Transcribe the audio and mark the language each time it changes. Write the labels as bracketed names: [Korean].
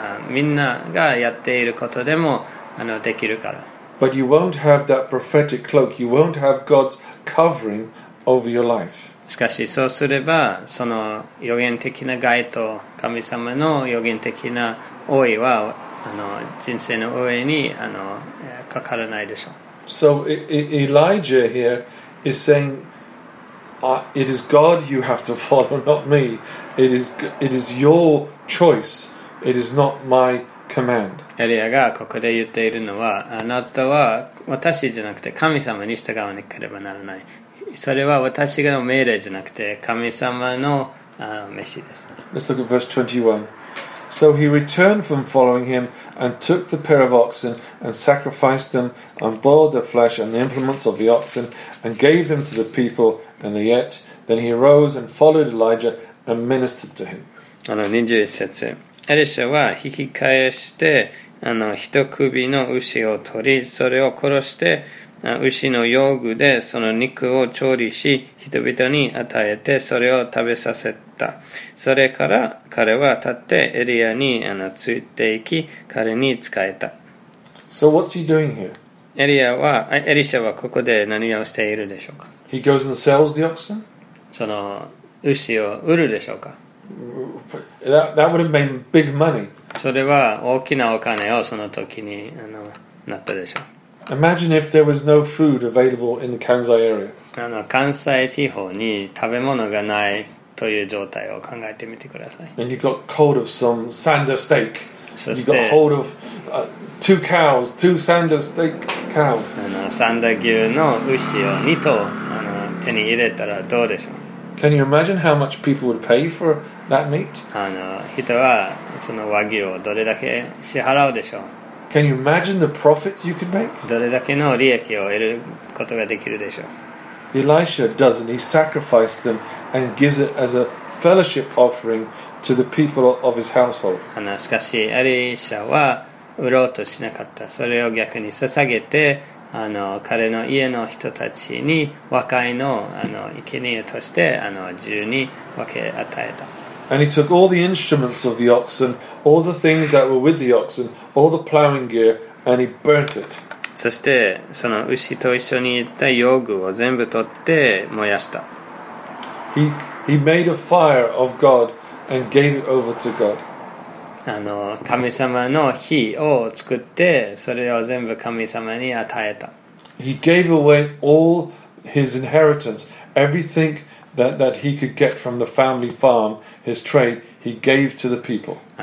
[Japanese] みんながやっていることでもできるから。 [English] But you won't have that prophetic cloak. You won't have God's covering over your life. [Japanese] しかしそうすれば、その予言的な街灯、神様の予言的な覆いは人生の上にかからないでしょう。 [English] So Elijah here is saying, it is God you have to follow, not me. It is your choice. It is not my command. [Japanese] エリアがここで言っているのは、あなたは私じゃなくて神様に従わなければならない。それは私の命令じゃなくて神様の召しです。 [English] Let's look at verse 21. So he returned from following him and took the pair of oxen and sacrificed them and boiled the flesh and the implements of the oxen and gave them to the people and they ate Then he arose and followed Elijah and ministered to him. [Japanese] 21節。エリシャは引き返して一首の牛を取り、それを殺して牛の用具でその肉を調理し、人々に与えてそれを食べさせた。それから彼は立ってエリアについていき、彼に仕えた。 [English] So what's he doing here? [Japanese] エリシャはここで何をしているでしょうか? [English] He goes and sells the oxen? [Japanese] その牛を売るでしょうか? [English] That would have been big money. [Japanese] それは大きなお金をその時になったでしょう。 [English] Imagine if there was no food available in the Kansai area. [Japanese] 関西地方に食べ物がないという状態を考えてみてください。 [English] And you got hold of some sander steak. You got hold of two cows, two sander steak cows. [Japanese] Sander 牛の牛を2頭手に入れたらどうでしょう。 [English] Can you imagine how much people would pay for that meat? [Japanese] 人はその和牛をどれだけ支払うでしょう。 [English] Can you imagine the profit you could make? [Japanese] どれだけの利益を得ることができるでしょう。 [English] Elisha doesn't. He sacrificed them and gives it as a fellowship offering to the people of his household. [Japanese] しかし、エリシャは売ろうとしなかった。それを逆に捧げて、彼の家の人たちに和解の生贄として自由に分け与えた。 [English] And he took all the instruments of the oxen, all the things that were with the oxen, all the plowing gear, and he burnt it. [Japanese] そしてその牛と一緒にいた用具を全部取って燃やした。 [English] He made a fire of God and gave it over to God. [Japanese] 神様の火を作ってそれを全部神様に与えた。 [English] He gave away all his inheritance, everything that he could get from the family farm, his trade, he gave to the people.